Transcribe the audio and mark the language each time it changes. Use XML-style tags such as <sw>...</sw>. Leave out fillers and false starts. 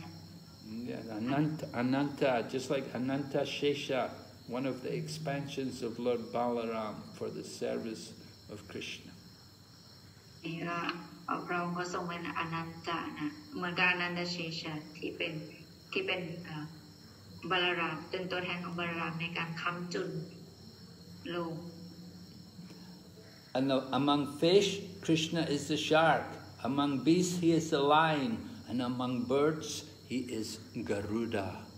<en>yeah ananta just like ananta shesha one of the expansions of Lord Balaram for the service of Krishna</en> <th>นี่ก็พระองค์ก็ทรงเป็นอนันตะนะเหมือนกับอนันตเชษะที่เป็นบาลารามเป็นตัวแทนของบาลารามในการค้ำจุนโลก</th> <en>And among fish Krishna is the shark among beasts he is the lion and among birds he is Garuda</en>